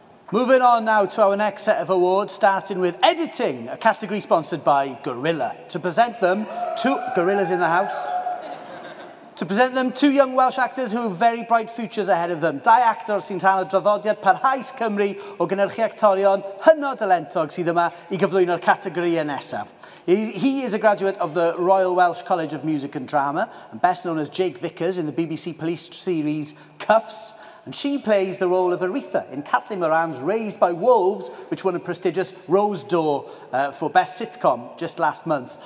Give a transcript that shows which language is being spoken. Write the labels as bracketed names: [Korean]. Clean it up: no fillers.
[English] Moving on now to our next set of awards, starting with editing, a category sponsored by Gorilla. To present them, two gorillas in the house. To present them, two young Welsh actors who have very bright futures ahead of them. [Welsh] Dau actor sy'n rhan o draddodiad parhaus Cymru o gynhyrchu actorion hynod alentog sydd yma i gyflwyno'r categori yn nesaf. [English] He is a graduate of the Royal Welsh College of Music and Drama, and best known as Jake Vickers in the BBC police series Cuffs. And she plays the role of Aretha in Kathleen Moran's Raised by Wolves, which won a prestigious Rose d'Or for best sitcom just last month.